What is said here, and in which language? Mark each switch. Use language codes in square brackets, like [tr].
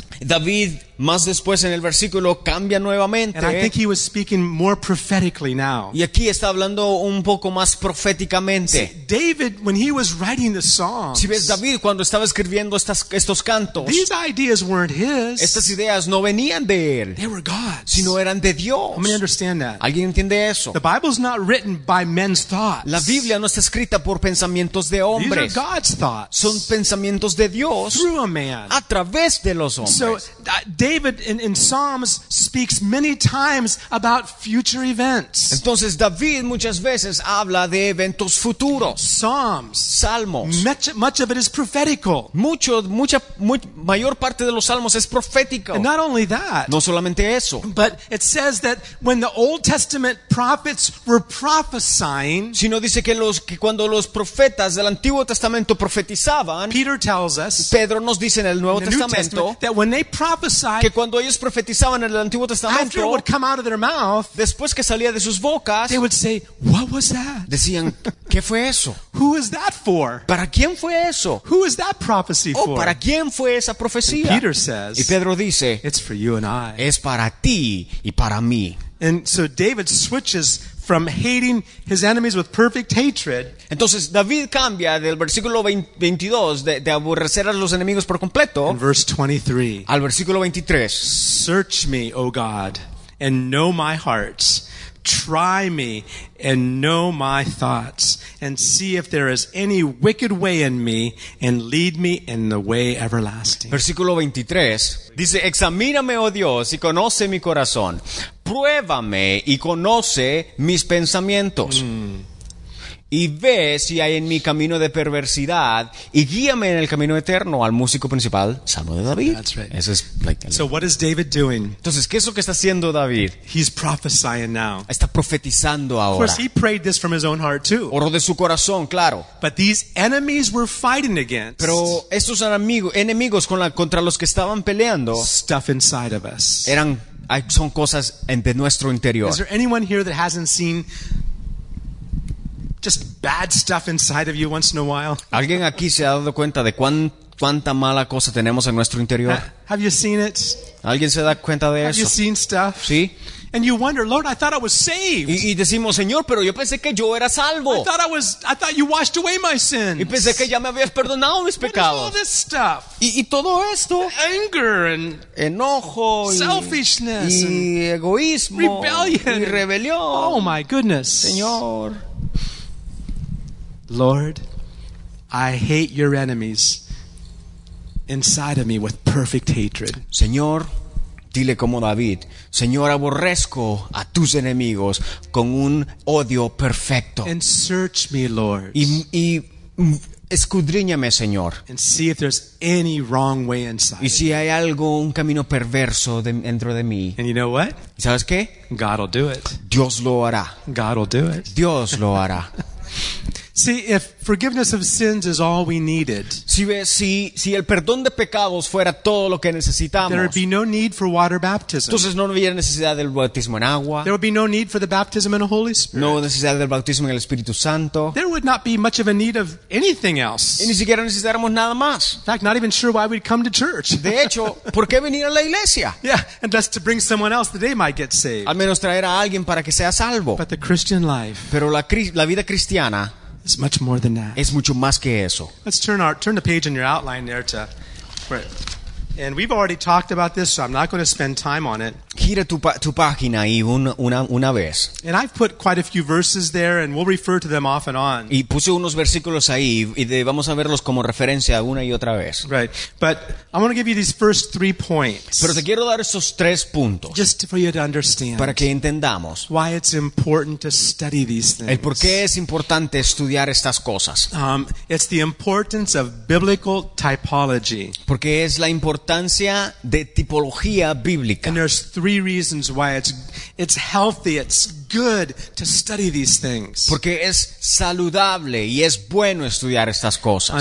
[es] David, más después en el versículo, cambia nuevamente. [en] And I think he was speaking more prophetically now. [es] Y aquí está hablando un poco más proféticamente. [en] See, David, when he was writing the songs, [es] si ves, David, cuando estaba escribiendo estos cantos, [en] these ideas weren't his. [es] Estas ideas no venían de él. [en] They were God's. [es] Sino eran de Dios. [en] Let me understand that. [es] ¿Alguien entiende eso? [en] The Bible's not written by men's thoughts. [es] La Biblia no está escrita por pensamientos de hombres. [en] These are God's thoughts. [es] Son pensamientos de Dios. [en] Through a man. [es] A través de los hombres. [en] So David in Psalms speaks many times about future events. [es] Entonces David muchas veces habla de eventos futuros. [en] Psalms, [es] Salmos. [en] Much of it is prophetical. [es] Mayor parte de los Salmos es profético. [en] And not only that. [es] No solamente eso. [en] But it says that when the Old Testament prophets were prophesying, [es] sino dice que cuando los profetas del Antiguo Testamento profetizaban, [en] Peter tells us, [es] Pedro nos dice en el Nuevo Testamento, [en] when they prophesied, [es] que cuando ellos profetizaban en el Antiguo Testamento, [en] after it would come out of their mouth, [es] después que salía de sus bocas, [en] they would say, "What was that?" [es] Decían, ¿qué fue eso? [en] Who is that for? [es] ¿Para quién fue eso? [en] Who is that prophecy for? [es] Oh, ¿para quién fue esa profecía? [en] And Peter says, [es] y Pedro dice, [en] it's for you and I. [es] Es para ti y para mí. [en] And so David switches from hating his enemies with perfect hatred. [es] Entonces David cambia del versículo 22 de aborrecer a los enemigos por completo. [en] In verse 23. [es] Al versículo 23. [en] Search me, O God, and know my heart. Try me and know my thoughts, and see if there is any wicked way in me, and lead me in the way everlasting. [es] Versículo 23 dice: Examíname, oh Dios, y conoce mi corazón. Pruébame y conoce mis pensamientos. Y ve si hay en mi camino de perversidad, y guíame en el camino eterno. Al músico principal, Salmo de David. [en] That's right. [es] Eso es, like, [en] so what is David doing? [es] Entonces, ¿qué es lo que está haciendo David? [en] He's prophesying now. [es] Está profetizando ahora. [en] Of course, he prayed this from his own heart too. [es] Oró de su corazón, claro. [en] But these enemies were fighting against. [es] Pero estos enemigos contra los que estaban peleando. [en] Stuff inside of us. [es] Son cosas de nuestro interior. [en] Is there anyone here that hasn't seen just bad stuff inside of you once in a while. [es] ¿Alguien aquí se ha dado cuenta de cuánta mala cosa tenemos en nuestro interior? [en] Have you seen it? [es] ¿Alguien se da cuenta de [en] Have [es] eso? [en] Have you seen stuff? [es] Sí. [en] And you wonder, Lord, I thought I was saved. [es] Y decimos, Señor, pero yo pensé que yo era salvo. [en] I thought you washed away my sins. [es] Y pensé que ya me habías perdonado mis pecados. [en] What is all this stuff? [es] Y todo esto. [en] Anger and [es] enojo. [en] Selfishness. [es] Y egoísmo. [en] Rebellion. [es] Y rebelión. [en] Oh my goodness. [es] Señor. [en] Lord, I hate your enemies inside of me with perfect hatred. [es] Señor. Dile como David, Señor, aborrezco a tus enemigos con un odio perfecto. [en] And search me, Lord. [es] Y escudriñame, Señor. [en] And see if there's any wrong way inside. [es] Y si hay algo, un camino perverso dentro de mí. [en] And you know what? [es] ¿Y sabes qué? [en] God will do it. [es] Dios lo hará. [en] God will do it. [es] Dios lo hará. [en] See, if forgiveness of sins is all we needed, [es] si el perdón de pecados fuera todo lo que necesitamos, [en] there would be no need for water baptism. [es] Entonces no hubiera necesidad del bautismo en agua. [en] There would be no need for the baptism in the Holy Spirit. [es] No necesidad del bautismo en el Espíritu Santo. [en] There would not be much of a need of anything else. [es] Y ni siquiera necesitáramos nada más. [en] In fact, not even sure why we'd come to church. [es] De hecho, ¿por qué venir a la iglesia? [en] Yeah, unless to bring someone else that they might get saved. [es] Al menos traer a alguien para que sea salvo. [en] But the Christian life. [es] Pero la vida cristiana. [en] It's much more than that. [es] Es mucho más que eso. [en] Let's turn the page in your outline there to right. And we've already talked about this, so I'm not going to spend time on it. [es] Gira tu página ahí una vez. [en] And I've put quite a few verses there, and we'll refer to them off and on. [es] Y puse unos versículos ahí, y vamos a verlos como referencia una y otra vez. [en] Right, but I want to give you these first 3 points. [es] Pero te quiero dar esos 3 puntos. [en] Just for you to understand. [es] Para que entendamos. [en] Why it's important to study these things. [es] El por qué es importante estudiar estas cosas. [en] It's the importance of biblical typology. [es] Porque es la importancia de tipología bíblica. [en] And there's 3 reasons why it's healthy, it's good to study these things. [es] Porque es saludable y es bueno estudiar estas cosas.